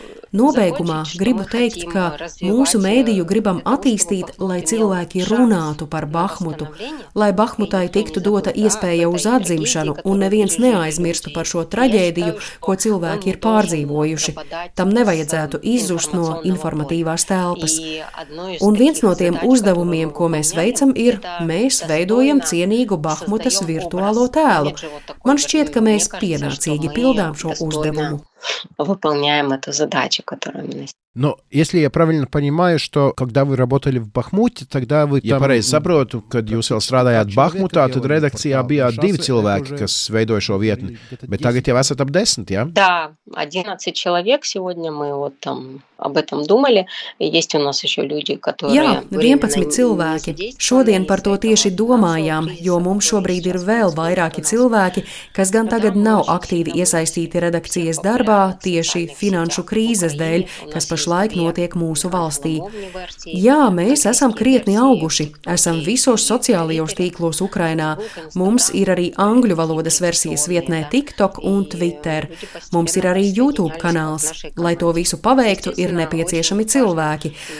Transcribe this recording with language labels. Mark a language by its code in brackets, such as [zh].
[lv] Nobeigumā gribu teikt, ka mūsu mediju gribam attīstīt, lai cilvēki runātu par Bahmutu, lai Bahmutai tiktu dota iespēja uz atdzimšanu un neviens neaizmirstu par šo traģēdiju, ko cilvēki ir pārdzīvojuši. Tam nevajadzētu izzust no informatīvās telpas. Un viens no tiem uzdevumiem, ko mēs veicam, ir, mēs veidojam cienīgu Bahmutas virtuālo tēlu. Man šķiet, ka mēs pienācīgi pildām šo uzdevumu. [ru] Выполняем эту задачу, которая у меня есть. Но если я правильно понимаю, что когда вы работали в Бахмуте, тогда вы там... Я правильно понимаю, когда вы работали в Бахмуте, то в редакции было 2 человека, которые создали эту ветвь. Но теперь у вас это 10, да? Да, 11 человек сегодня, мы вот там об этом думали. Есть у нас еще люди, которые... Да, 11 человек. Сегодня мы про это думаем, потому что у нас сейчас есть больше человек, которые сейчас не активно участвуют в редакции, именно в финансовой кризисе, которая [lv] pašlaik notiek mūsu valstī. Jā, mēs esam krietni auguši, esam visos sociālajos tīklos Ukrainā. Mums ir arī angļu valodas versijas vietnē TikTok un Twitter. Mums ir arī YouTube kanāls. Lai to visu paveiktu, ir nepieciešami cilvēki.